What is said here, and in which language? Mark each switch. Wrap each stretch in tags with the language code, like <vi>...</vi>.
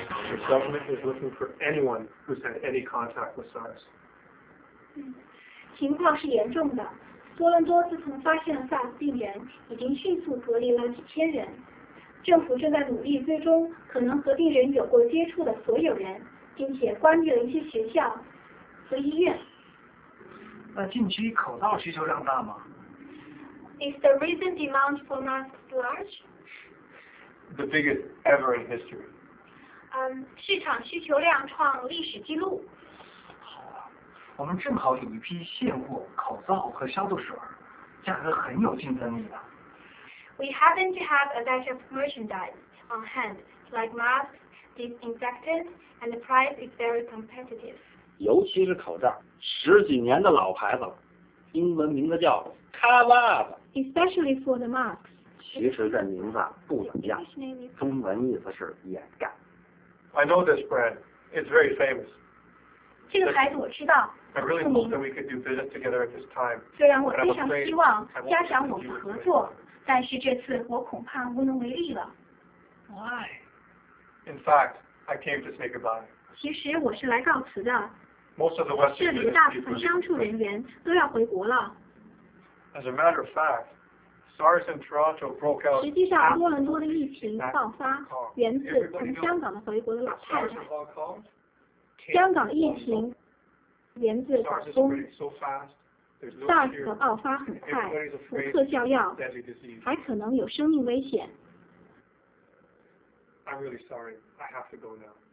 <en>The government is looking for anyone who's had any contact with SARS.</en> <zh>情况是严重的。多伦多自从发现了 SARS 病人，已经迅速隔离了几千人。政府正在努力追踪可能和病人有过接触的所有人，并且关闭了一些学校和医院。那近期口罩需求量大吗？</zh> <en>Is the recent demand for masks large? The biggest ever in history.</en> <zh>市场需求量创历史记录。好啊，我们正好有一批现货口罩和消毒水，价格很有竞争力的。</zh> <en>We happen to have a batch of merchandise on hand, like masks, disinfectant, and the price is very competitive.</en> <zh>尤其是口罩，十几年的老牌子了，英文名字叫 Kavab。</zh> <en>Especially for the mask。</en> <zh>其实这名字不怎么样，中文意思是掩盖。</zh> <en>I know this brand. It's very famous.</en> <zh>这个牌子我知道。</zh> <en>I really hope that we could do business together at this time.</en> <zh>虽然我非常希望加强我们的合作，但是这次我恐怕无能为力了。</zh> <en>Why? In fact, I came to say goodbye. 其实我是来告辞的。 Most of the Western</en> <zh>这里的大部分商处人员都要回国了。</zh> <en>As a matter of fact, SARS in Toronto broke out.</en> <zh>实际上，多伦多的疫情爆发源自从香港的回国的老太太。香港疫情源自广东。SARS 的爆发很快，无特效药，还可能有生命危险。</zh> <en>I'm really sorry. I have to go now.</en>